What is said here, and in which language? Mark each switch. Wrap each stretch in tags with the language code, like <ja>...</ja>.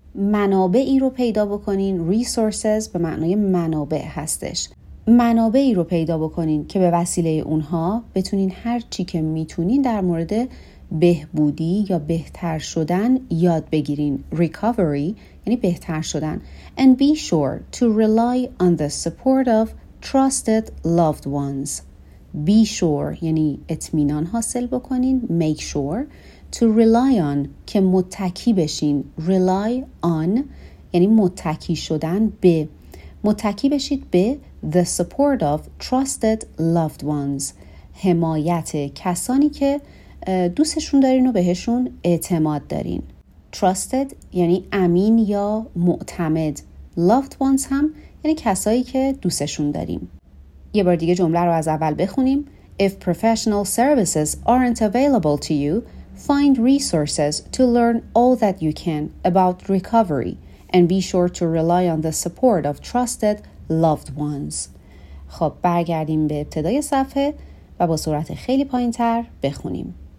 <fa>منابعی رو پیدا بکنین. Resources به معنای منابع هستش. منابعی رو پیدا بکنین که به وسیله اونها بتونین هر چی که میتونین در مورد بهبودی یا بهتر شدن یاد بگیرین. Recovery یعنی بهتر شدن.</fa> <en>And be sure to rely on the support of trusted loved ones.</en> <fa>Be sure یعنی اطمینان حاصل بکنین.</fa> <en>Make sure to rely on</en> <fa>که متکی بشین. Rely on یعنی متکی شدن به. متکی بشید به</fa> <en>the support of trusted loved ones.</en> <fa>حمایت کسانی که دوستشون دارین و بهشون اعتماد دارین. Trusted یعنی امین یا معتمد. Loved ones هم یعنی کسایی که دوستشون داریم. یه بار دیگه جمله رو از اول بخونیم.</fa> <en>If professional services aren't available to you, find resources to learn all that you can about recovery and be sure to rely on the support of trusted loved ones.</en> <fa>خب برگردیم به ابتدای صفحه و با سرعت خیلی پایین‌تر بخونیم.</fa>